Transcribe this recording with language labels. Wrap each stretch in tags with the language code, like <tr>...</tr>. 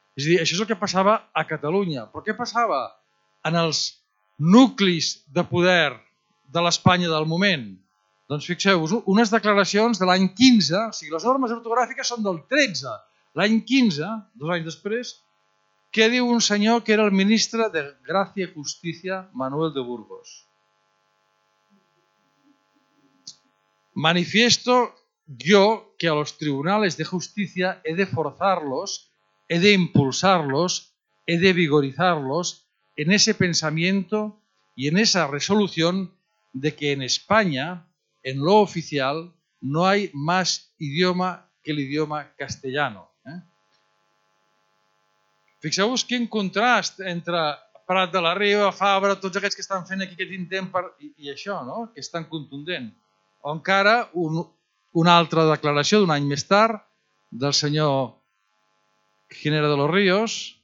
<ca>És a dir, això és el que passava a Catalunya. Però què passava en els nuclis de poder de l'Espanya del moment? Doncs fixeu-vos, unes declaracions de l'any 15, o sigui, les normes ortogràfiques són del 13. L'any 15, dos anys després, què diu un senyor que era el ministre de Gràcia i Justícia, Manuel de Burgos?</ca> <es>Manifiesto yo que a los tribunales de justicia he de forzarlos, he de impulsarlos, he de vigorizarlos en ese pensamiento y en esa resolución de que en España, en lo oficial, no hay más idioma que el idioma castellano.</es> <ca>Fixeu-vos quin contrast entre Prat de la Riba, Fabra, tots aquests que estan fent aquí aquest intent i això, no? Que és tan contundent. O encara una altra declaració d'un any més tard del senyor Ginera de los Ríos.</ca>